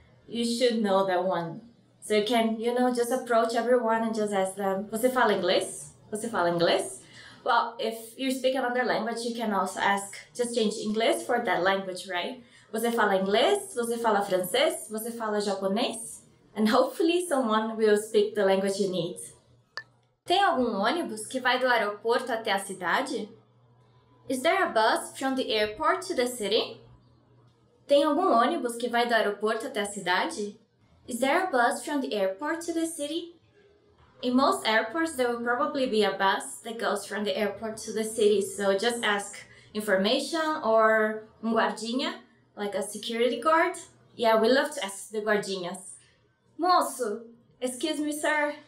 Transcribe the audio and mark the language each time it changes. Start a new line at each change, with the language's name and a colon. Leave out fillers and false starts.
English: You should know that one. So you can, you know, just approach everyone and just ask them,
Portuguese: você fala inglês? Você fala inglês?
English: Well, if you speak another language, you can also ask, just change inglês for that language, right?
Portuguese: Você fala inglês? Você fala francês? Você fala japonês?
English: And hopefully someone will speak the language you need.
Portuguese: Tem algum ônibus que vai do aeroporto até a cidade?
English: Is there a bus from the airport to the city?
Portuguese: Tem algum ônibus que vai do aeroporto até a cidade?
English: Is there a bus from the airport to the city? In most airports, there will probably be a bus that goes from the airport to the city, so just ask information or guardinha, like a security guard. Yeah, we love to ask the guardinhas. Moço, excuse me, sir.